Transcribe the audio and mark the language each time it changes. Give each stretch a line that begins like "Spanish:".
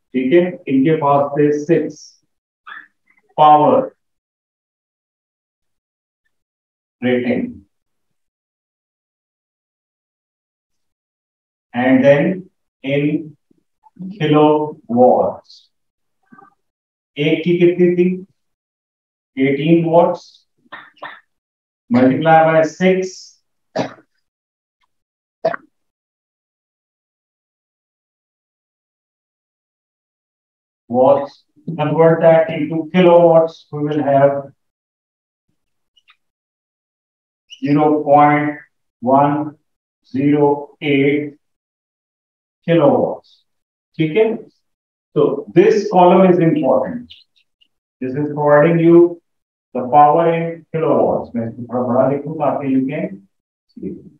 Hindi: ठीक है, इनके पास थे 6 power rating
English: and then in
Hindi: kilo watts. एक की कितनी थी?
English: 18 watts multiply by 6 watts, convert that into kilowatts, we will have 0.108 kilowatts.
Hindi: ठीक है,
English: so this column is important, this is providing you the power in kilowatts.
Hindi: मैं इसको थोड़ा बड़ा लिखूं ताकि
English: You can see.